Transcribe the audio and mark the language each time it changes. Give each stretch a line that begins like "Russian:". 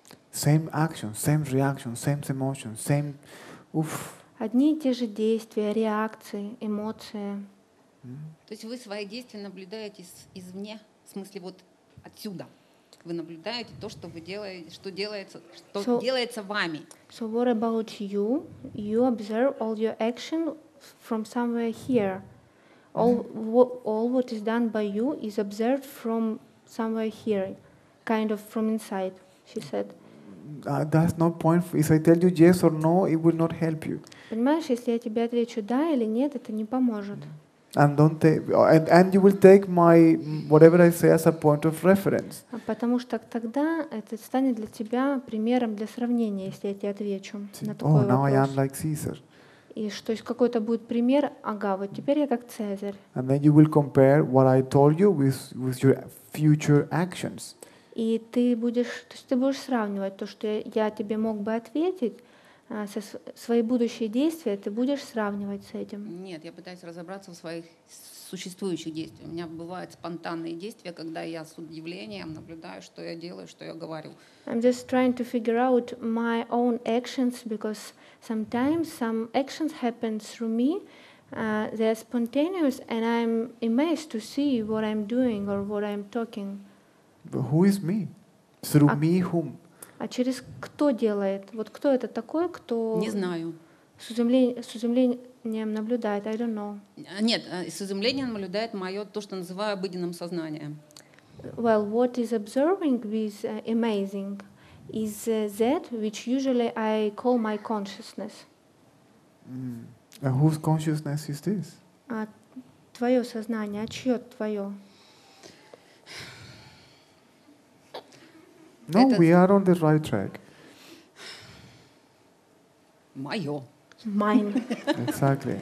English: Same action, same reaction, same emotion, same. Уф.
Russian: Одни и те же действия, реакции, эмоции. То есть вы свои действия наблюдаете извне, в смысле вот отсюда. Вы наблюдаете то, что вы делаете, что делается вами.
English: So what about you? You observe all your action from somewhere here. All what is done by you is observed from somewhere here, kind of from inside, she said. that's not point. If I tell you yes or no, it will not help you.
Russian: Понимаешь, если я тебе отвечу да или нет, это не поможет.
English: And don't take, and you will take my whatever I say as a point of reference.
Russian: Потому что тогда это станет для тебя примером для сравнения, если я тебе отвечу на такой вопрос.
English: Oh, now I am like Caesar.
Russian: И что, то есть какой-то будет пример, ага, вот теперь я как Цезарь.
English: And then you will compare what I told you with your future actions.
Russian: И ты будешь, то есть ты будешь сравнивать то, что я тебе мог бы ответить, со свои будущие действия, ты будешь сравнивать с этим? Нет, я пытаюсь разобраться в своих существующих действиях. У меня бывают спонтанные действия, когда я с удивлением наблюдаю, что я делаю, что я говорю.
English: I'm just trying to figure out my own actions, because sometimes some actions happen through me. They're spontaneous, and I'm amazed to see what I'm doing or what I'm talking. But who is me? Through me whom?
Russian: А через кто делает? Вот кто это такой, кто... Не знаю. С изумлением наблюдает.
English: I don't know.
Russian: Нет, с изумлением наблюдает мое, то, что называю обыденным сознанием.
English: Well, what is observing with amazing is that which usually I call my consciousness. Mm. And whose consciousness is this?
Russian: А твое сознание, а чье твое?
English: No, we are on the right track.
Russian: Моё.
English: Mine. Exactly.